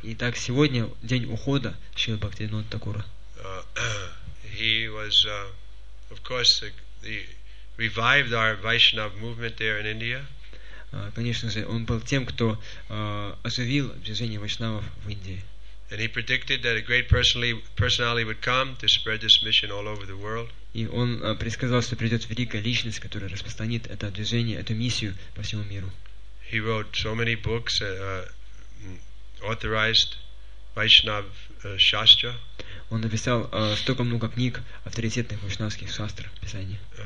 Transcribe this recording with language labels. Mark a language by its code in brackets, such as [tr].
[ru] Итак, сегодня день ухода Шрила Бхактивинода Такура. [en] He was, of course, the revived our Vaishnav movement there in India. [ru] Конечно же, он был тем, кто оживил движение вайшнавов в Индии. [en] And he predicted that a great personality would come to spread this mission all over the world. [ru] И он предсказал, что придет великая личность, которая распространит это движение, эту миссию по всему миру. [en] He wrote so many books, authorized Vaishnav Shastra. [ru] Он написал столько много книг авторитетных вайшнавских шастр, писаний.